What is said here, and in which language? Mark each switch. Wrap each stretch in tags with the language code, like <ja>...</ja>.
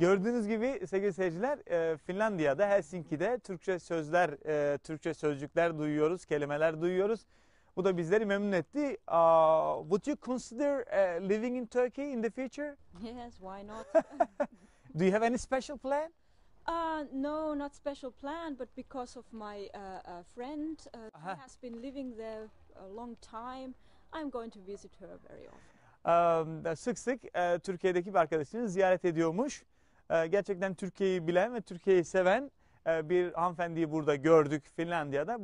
<tr>Gördüğünüz gibi sevgili seyirciler, Finlandiya'da Helsinki'de Türkçe sözler, Türkçe sözcükler duyuyoruz, kelimeler duyuyoruz. Bu da bizleri memnun etti.</tr> <en>Would you consider living in Turkey in the future? Yes, why not? Do you have any special plan? No, not special plan, but because of my friend who has been living there a long time, I'm going to visit her very often.</en> <tr>Sık sık Türkiye'deki bir arkadaşını ziyaret ediyormuş. Gerçekten Türkiye'yi bilen ve Türkiye'yi seven bir hanımefendiyi burada gördük Finlandiya'da.</tr>